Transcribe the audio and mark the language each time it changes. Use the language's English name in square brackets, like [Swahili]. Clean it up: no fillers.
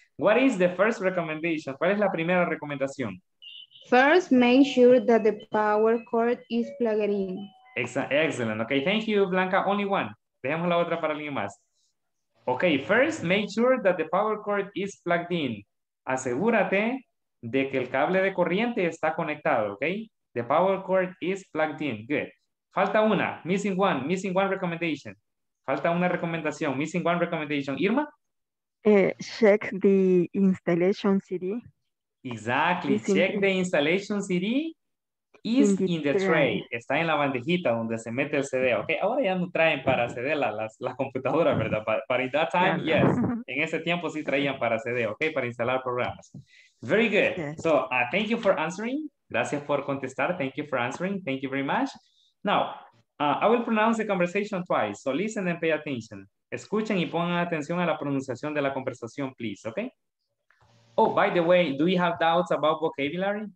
[English] What is the first recommendation? [Spanish] ¿Cuál es la primera recomendación? [English] First, make sure that the power cord is plugged in. Excellent, okay, thank you, Blanca. Only one. [Spanish] Dejemos la otra para alguien más. [English] Okay, first make sure that the power cord is plugged in. [Spanish] Asegúrate de que el cable de corriente está conectado, okay? [English] The power cord is plugged in. Good. [Spanish] Falta una. [English] Missing one recommendation. [Spanish] Falta una recomendación. [English] Missing one recommendation. Irma? Check the installation CD. Exactly. Check the installation CD is in the tray. [Spanish] Está en la bandejita donde se mete el CD, okay? Ahora ya no traen para CD las computadoras, ¿verdad? [English] But in that time, yeah, yes. [Spanish] No. En ese tiempo sí traían para CD, okay? Para instalar programas. [English] Very good. Yes. So, thank you for answering. [Spanish] Gracias por contestar. [English] Thank you for answering. Thank you very much. Now, I will pronounce the conversation twice. So, listen and pay attention. [Spanish] Escuchen y pongan atención a la pronunciación de la conversación, please, okay? [English] Oh, by the way, do you have doubts about vocabulary?